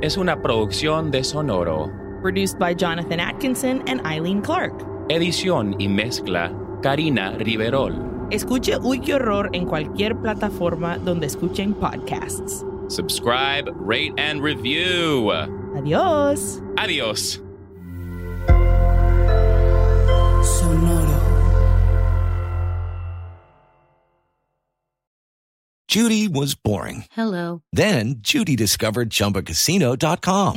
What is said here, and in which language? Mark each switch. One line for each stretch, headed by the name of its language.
Spanish: Es una producción de Sonoro.
English: Produced by Jonathan Atkinson and Eileen Clark.
Spanish: Edición y mezcla, Karina Riverol. Escuche Uy, qué horror en cualquier plataforma donde escuchen podcasts.
English: Subscribe, rate, and review.
Spanish: Adiós. Adiós.
English: Judy was boring. Hello. Then Judy discovered Chumbacasino.com.